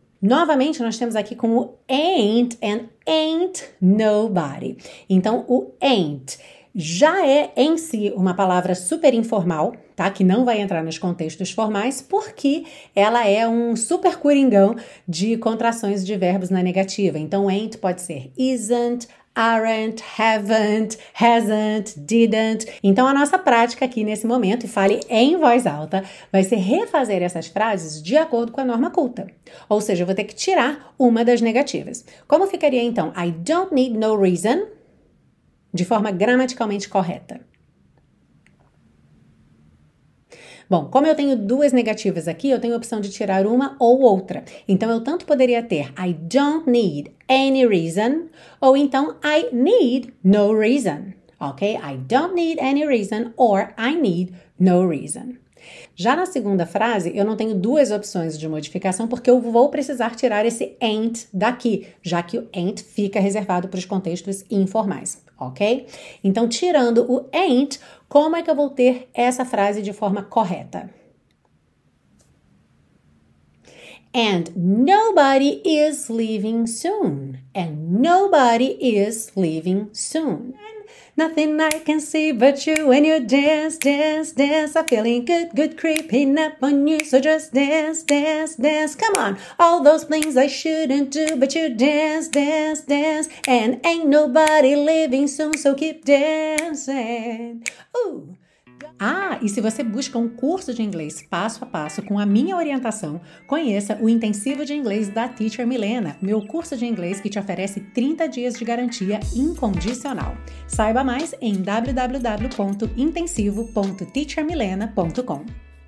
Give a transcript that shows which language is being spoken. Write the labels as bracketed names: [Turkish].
[Portuguese] Novamente, nós temos aqui como ain't and ain't nobody. Então, o ain't já é em si uma palavra super informal, tá? Que não vai entrar nos contextos formais, porque ela é um super coringão de contrações de verbos na negativa. Então, ain't pode ser isn't, aren't, haven't, hasn't, didn't. Então, a nossa prática aqui nesse momento, e fale em voz alta, vai ser refazer essas frases de acordo com a norma culta. Ou seja, eu vou ter que tirar uma das negativas. Como ficaria, então, [English] I don't need no reason, [Portuguese] de forma gramaticalmente correta? Bom, como eu tenho duas negativas aqui, eu tenho a opção de tirar uma ou outra. Então, eu tanto poderia ter [English] I don't need any reason, [Portuguese] ou então [English] I need no reason, [Portuguese] ok? [English] I don't need any reason, or I need no reason. [Portuguese] Já na segunda frase, eu não tenho duas opções de modificação, porque eu vou precisar tirar esse ain't daqui, já que o ain't fica reservado para os contextos informais, ok? Então, tirando o ain't, como é que eu vou ter essa frase de forma correta? [English] And nobody is leaving soon. And nobody is leaving soon. Nothing I can see but you when you dance, dance, dance. I'm feeling good, good, creeping up on you. So just dance, dance, dance. Come on. All those things I shouldn't do, but you dance, dance, dance. And ain't nobody leaving soon, so keep dancing. Ooh. [Portuguese] Ah, e se você busca um curso de inglês passo a passo com a minha orientação, conheça o Intensivo de Inglês da Teacher Milena, meu curso de inglês que te oferece 30 dias de garantia incondicional. Saiba mais em www.intensivo.teachermilena.com.